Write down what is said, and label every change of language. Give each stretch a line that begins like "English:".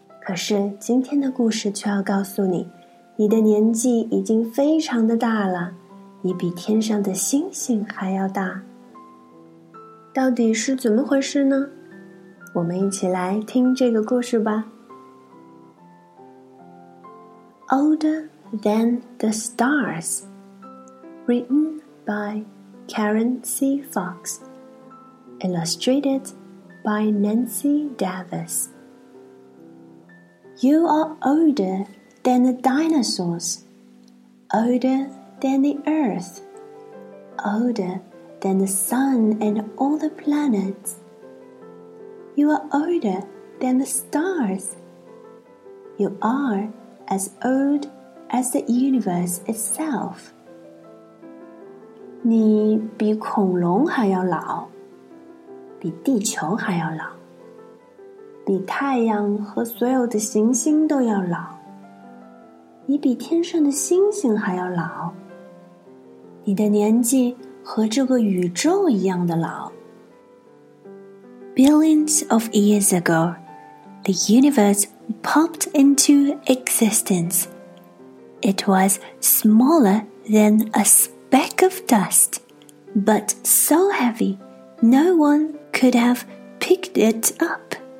Chinese: 可是今天的故事却要告诉你，你的年纪已经非常的大了，你比天上的星星还要大。到底是怎么回事呢？我们一起来听这个故事吧。
English: Older Than the Stars, written by Karen C. Fox, illustrated by Nancy Davis. You are older than the dinosaurs, older than the earth, older than the sun and all the planets. You are older than the stars. You are as old as the universe itself.
Chinese: 你比恐龙还要老，比地球还要老，比太阳和所有的行星都要老。你比天上的星星还要老，你的年纪和这个宇宙一样的老。
English: Billions of years ago, the universe popped into existence. It was smaller than a speck of dust, but so heavy no one could have picked it up.